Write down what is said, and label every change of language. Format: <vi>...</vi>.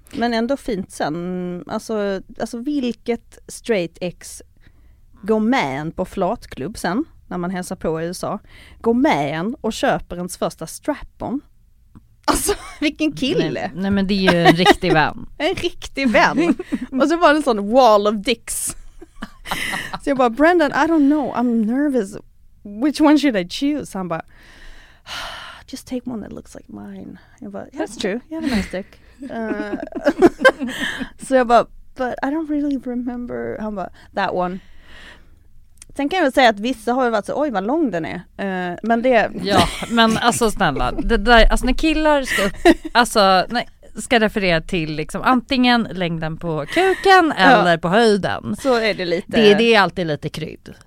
<sv>Men ändå fint sen. Alltså vilket straight ex gå med en på flatklubb sen när man hälsar på i USA, gå med en och köper ens första strap-on. Alltså vilken kille. Nej men det är ju en riktig vän. En riktig vän. Och så var det en sån</sv> <en>wall of dicks.</en> <sv>Så jag bara,</sv> <en>Brendan, I don't know, I'm nervous, which one should I choose?</en> <sv>Han bara,</sv> <en>just take one that looks like mine.</en> <sv>Jag bara,</sv> <en>that's true, you have a nice dick.</en> <sv>Så jag bara,</sv> <en>but I don't really remember.</en> <sv>Han bara,</sv> <en>that one.</en> <sv>Sen kan jag väl säga att vissa har ju varit så, oj vad lång den är. Men det... Ja, men alltså snälla. Det där, alltså när killar ska, alltså, nej, ska referera till liksom, antingen längden på kuken eller på höjden. Så är det lite. Det är alltid lite krydd.</sv>